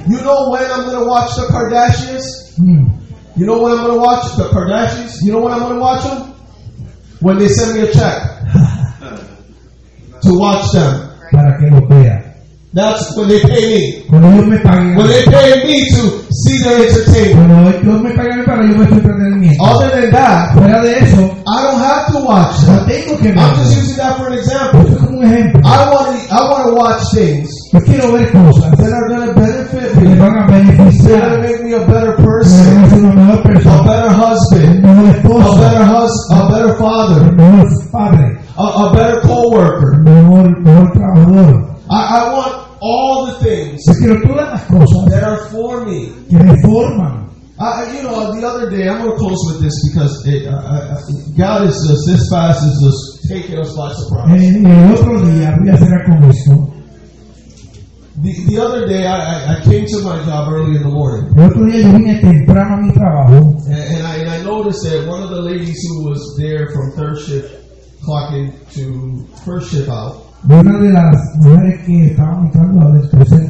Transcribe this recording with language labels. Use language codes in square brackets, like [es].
[en] You know when I'm gonna watch the Kardashians? You know when I'm gonna watch the Kardashians? You know when I'm gonna watch them? When they send me a check to watch them. [es] Para que lo vea. [en] That's when they pay me. [es] Cuando ellos me paguen. [en] When they pay me to see their entertainment. [es] Cuando ellos me paguen para yo ver su entretenimiento. [en] Other than that, [es] fuera de eso, [en] I don't have to watch. [es] No tengo que ver. [en] I'm just using that for an example. [es] Eso es como un ejemplo. [en] I want to watch things. [es] Yo quiero ver cosas [en] that are going to benefit me. [es] Que van a beneficiar. [en] They're going to make me a better person. [es] Me van a hacer una mejor persona. [en] A better husband. [es] Un mejor esposo. [en] A better father. [es] Un mejor padre. [en] A better co-worker. [es] Mejor trabajador. [en] I want all the things [es] todas las cosas [en] that are for me. [es] Que me forman. [en] The other day, I'm going to close with this because God is just, this fast is just taking us by surprise. [es] El otro día, voy a cerrar con esto. [en] The other day, I came to my job early in the morning. [es] El otro día, yo vine temprano a mi trabajo. [en] And I noticed that one of the ladies who was there from third shift clocking to first shift out. [es] Una de las mujeres que estaban entrando a ver el